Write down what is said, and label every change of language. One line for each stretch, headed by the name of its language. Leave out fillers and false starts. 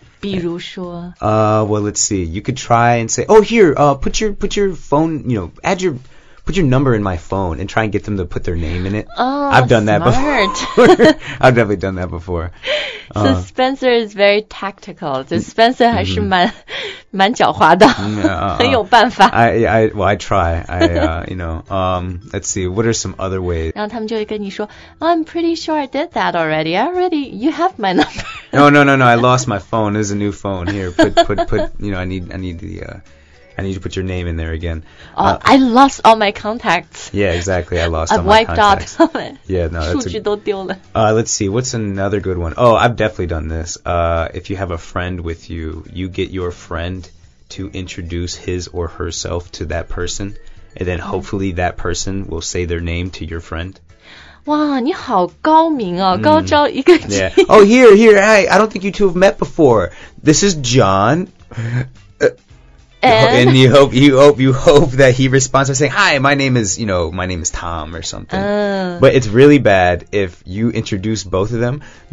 Chinese: 比如说
English: Well, let's see. You could try and say, oh, here,、put your phone, you know, add your, put your number in my phone and try and get them to put their name in it. Oh, I've done、 smart. That before. I've definitely done that before. So Spencer is very tactical.
Chinese: So Spencer 还是蛮蛮狡猾的，很有办法。
English: I try, let's see, what are some other ways?
Chinese: 然后他们就会跟你说
English: I'm pretty sure I did that already. I already, you have my number. No, I lost my phone. There's a new phone here. Put, you know, I need to put your name in there again. I lost all my contacts. Yeah, exactly. I lost all my contacts. I've wiped out. Yeah, no, that's
Chinese: 数据都丢了。
English: Let's see. What's another good one? Oh, I've definitely done this. If you have a friend with you, you get your friend to introduce his or herself to that person. And then hopefully that person will say their name to your friend.
Chinese: 哇你好高明哦、高招一个技。
English: Yeah. Oh, here, hi. I don't think you two have met before. This is John. And you hope that he responds by saying, hi, my name is, you know, my name is Tom or something. But it's really bad if you introduce both of them.